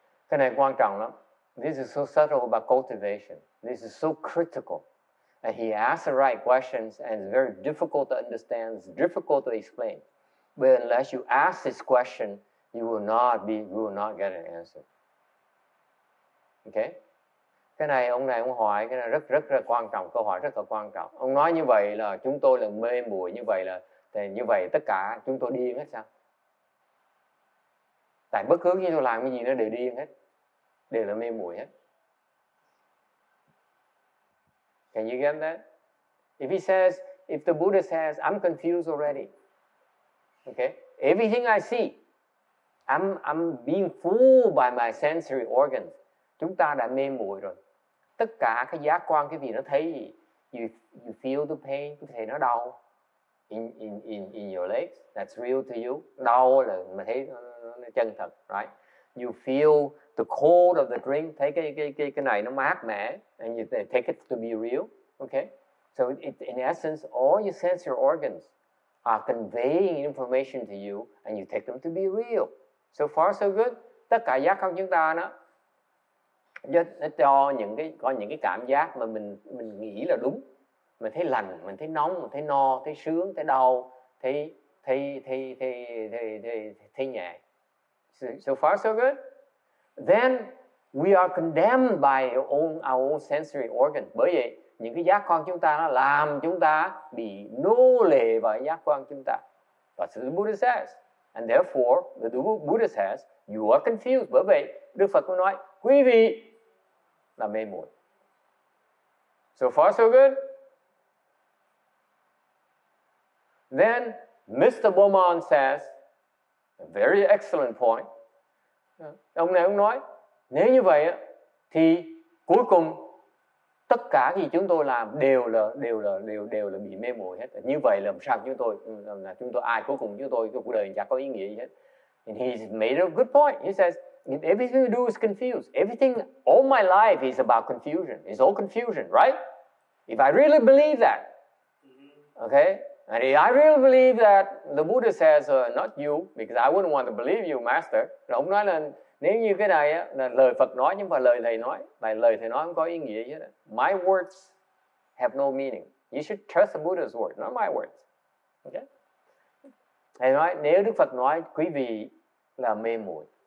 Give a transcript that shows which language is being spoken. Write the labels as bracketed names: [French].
[Vietnamese] Cái này quan trọng lắm. [English] This is so subtle about cultivation. This is so critical. And he asks the right questions and it's very difficult to understand, it's difficult to explain. But unless you ask this question, you will not get an answer. Okay? [Vietnamese] Cái này ông này ông hỏi, cái này rất rất là quan trọng, câu hỏi rất là quan trọng. Ông nói như vậy là chúng tôi là mê muội như vậy là thì như vậy tất cả chúng tôi điên hết sao? Tại bất cứ khi tôi làm cái gì nó đều điên hết. Đều là mê muội hết. [English] Can you get that? If he says, if the Buddha says, I'm confused already. Okay? Everything I see, I'm being fooled by my sensory organs. [Vietnamese] Chúng ta đã mê muội rồi. Tất cả cái giác quan, cái gì nó thấy gì. [English] You feel the pain, [Vietnamese] có thể nó đau. [English] In your legs, that's real to you. [Vietnamese] Đau là mình thấy nó chân thật, [English] right? You feel the cold of the drink. [Vietnamese] Thấy cái này nó mát mẻ. [English] And you take it to be real. Okay? So it, in essence, all your sensory organs are conveying information to you and you take them to be real. So far, so good. [Vietnamese] Tất cả giác quan chúng ta nó cho những cái có những cái cảm giác mà mình nghĩ là đúng. Mình thấy lành, mình thấy nóng, mình thấy no, thấy sướng, thấy đau, thấy nhẹ. [English] So far, so good. Then we are condemned by our own sensory organ. [Vietnamese] Bởi vậy, những cái giác quan chúng ta nó làm chúng ta bị nô lệ vào giác quan chúng ta. [English] That's what the Buddha says. And therefore, the Buddha says, you are confused. [Vietnamese] Bởi vậy, Đức Phật cũng nói, quý vị là mê muội. [English] So far, so good. Then, Mr. Beaumont says, a very excellent point. [Vietnamese] Ông này cũng nói, nếu như vậy thì cuối cùng tất cả gì chúng tôi làm đều là bị mê muội hết. Như vậy làm sao chúng tôi ai cuối cùng chúng tôi cuộc đời chẳng có ý nghĩa gì hết. [English] And he made a good point. He says, everything we do is confused. Everything, all my life is about confusion. It's all confusion, right? If I really believe that, okay? And I really believe that the Buddha says, not you, because I wouldn't want to believe you, master. [Vietnamese] Rồi ông nói là, nếu như cái này là lời Phật nói, nhưng mà lời thầy nói, tại lời thầy nói không có ý nghĩa gì hết. [English] My words have no meaning. You should trust the Buddha's word, not my words. Okay? [Vietnamese] Thầy nói, nếu Đức Phật nói, quý vị là mê muội.